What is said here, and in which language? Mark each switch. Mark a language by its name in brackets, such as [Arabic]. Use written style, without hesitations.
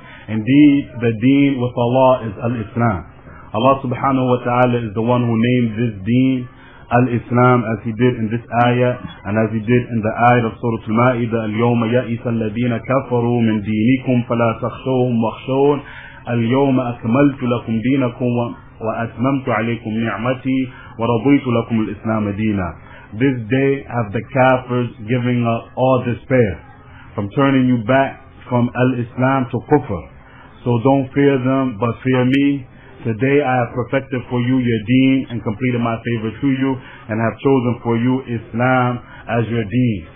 [English] Indeed, the deen with Allah is al-Islam. Allah subhanahu wa ta'ala is the one who named this deen Al-Islam, as he did in this ayah, and as he did in the ayah of Surah Al-Ma'idah, [Arabic] الْيَوْمَ يَأِسَ الَّذِينَ كَفَرُوا مِنْ دِينِكُمْ فَلَا تَخْشَوْهُمْ وَخْشَوْنَ. اليوم أكملت لكم دينكم وأتممت عليكم نعمتي ورضيت لكم الإسلام دينا. [English] This day have the kafirs giving up all despair from turning you back from al-Islam to kufr. So don't fear them, but fear me. Today I have perfected for you your deen and completed my favor to you and have chosen for you Islam as your deen.